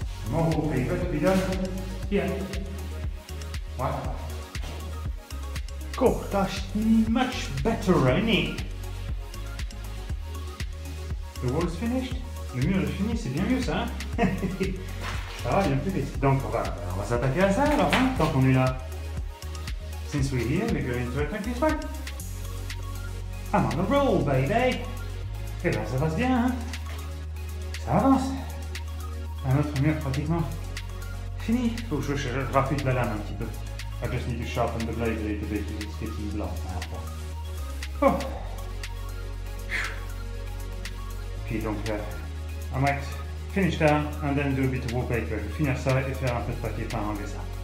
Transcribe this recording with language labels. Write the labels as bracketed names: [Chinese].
[English] More wallpaper to be done here. Voilà. Cool, that's much better, Rainy. The wall is finished. [French] Le mur est fini, c'est bien mieux ça. Ça va bien plus vite. Donc on va s'attaquer à ça alors, hein, tant qu'on est là. [English] Since we're here, we're going to attack this one. I'm on the roll, baby. [French] Et là, ça passe bien. Hein. Ça avance. Un autre mur pratiquement fini. Faut que je raffute la lame un petit peu. [English] I just need to sharpen the blade a little bit because it's getting blunt. Oh. [French] Puis donc, [English] I might finish that and then do a bit of wallpaper. [French] Finir ça et faire un peu de papier peint enlever ça.